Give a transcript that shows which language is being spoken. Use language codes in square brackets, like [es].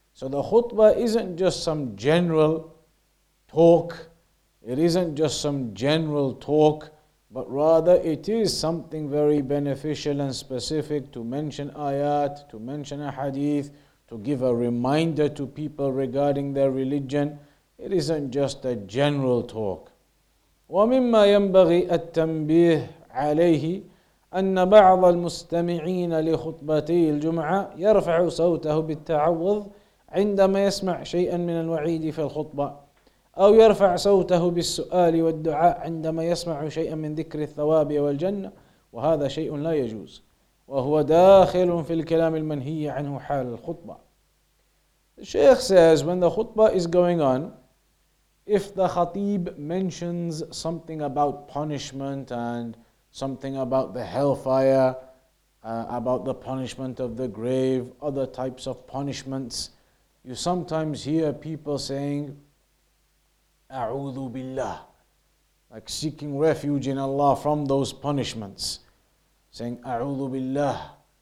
[en] So the khutbah isn't just some general talk. It isn't just some general talk, but rather it is something very beneficial and specific to mention ayat, to mention a hadith, to give a reminder to people regarding their religion. It isn't just a general talk. [ar] وَمِمَّا يَنْبَغِي التَّنْبِيهِ عَلَيْهِ أَنَّ بَعْضَ الْمُسْتَمِعِينَ لِخُطْبَتِي الْجُمْعَةِ يَرْفَعُ صَوْتَهُ بِالتَّعَوُّضِ عِنْدَمَا يَسْمَعْ شَيْئًا مِنَ الْوَعِيدِ فِي الْخُطْبَةِ أو يرفع صوته بالسؤال والدعاء عندما يسمع شيئا من ذكر الثواب والجنة وهذا شيء لا يجوز وهو داخل في الكلام المنهي عنه حال الخطبة. [en] The Sheikh says when the khutbah is going on, if the khatib mentions something about punishment and something about the hellfire, about the punishment of the grave, other types of punishments, you sometimes hear people saying [ar] A'udhu billah, [en] like seeking refuge in Allah from those punishments, saying A'udhu billah.